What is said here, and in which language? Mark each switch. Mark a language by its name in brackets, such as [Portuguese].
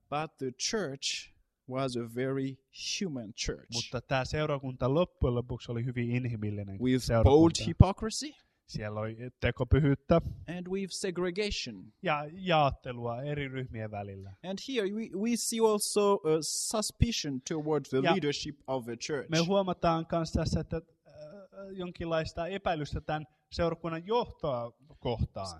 [English] But the church was a very human church. [Finnish] Mutta tämä seurakunta loppujen lopuksi oli hyvin inhimillinen [English] with [Finnish] seurakunta. [English] Bold hypocrisy. [Finnish] Siellä oli tekopyhyyttä. [English] And with segregation. [Finnish] Ja jaottelua eri ryhmien välillä. [English] And here we see also a suspicion towards the leadership of the church. [Finnish] Me huomataan myös tässä, että jonkinlaista epäilystä tämän seurakunnan johtoa kohtaan.